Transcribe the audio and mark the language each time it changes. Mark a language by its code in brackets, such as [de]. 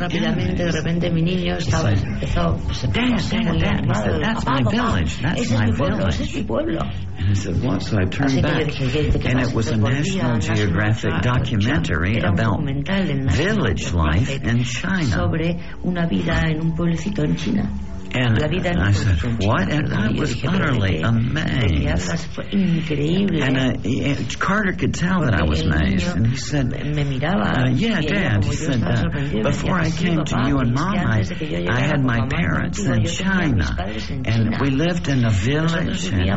[en] angry. Dad, that's my village. And I said, what? So I turned back, and it was a National Geographic documentary about village life in China. [es] Sobre una vida en un pueblecito en China. [en] And I said, what? And I was utterly amazed. And Carter could tell that I was amazed. And he said, Dad, he said, before I came to you and Mom, I had my parents in China. And we lived in a village.